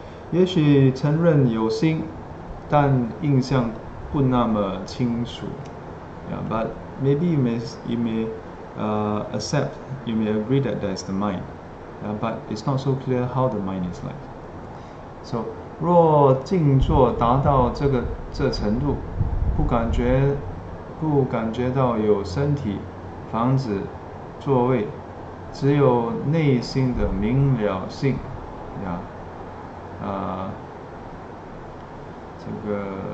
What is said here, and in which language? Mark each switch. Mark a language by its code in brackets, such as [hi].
[zh] 也许承认有心，但印象不那么清楚。 [en] But maybe you may accept, you may agree that there is the mind. But it's not so clear how the mind is like. So. [zh] 若静坐达到这程度，不感觉到有身体、房子、座位，只有内心的明了性，这个